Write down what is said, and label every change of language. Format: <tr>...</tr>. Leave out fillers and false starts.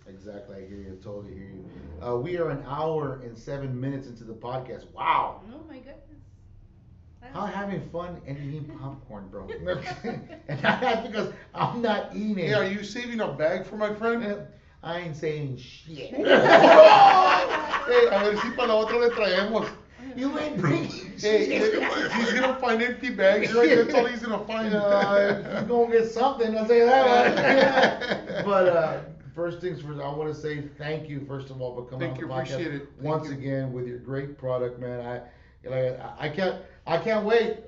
<en>Exactly, I hear you. Totally hear you. We are 1 hour and 7 minutes into the podcast. Wow. Oh my goodness. How having fun and eating popcorn, bro? And that's because I'm not eating. Hey, are you saving a bag for my friend? I ain't saying shit.</en> <es>Hey, a ver si para la otra le traemos.</es> <en>You ain't bringing shit. Hey, he's going to find empty bags, right? That's all he's going to find. He's going to get something, I'll tell you that. But first things first, I want to say thank you, first of all, for coming on the podcast. Thank you, appreciate it. Once again, with your great product, man. I can't wait.</en>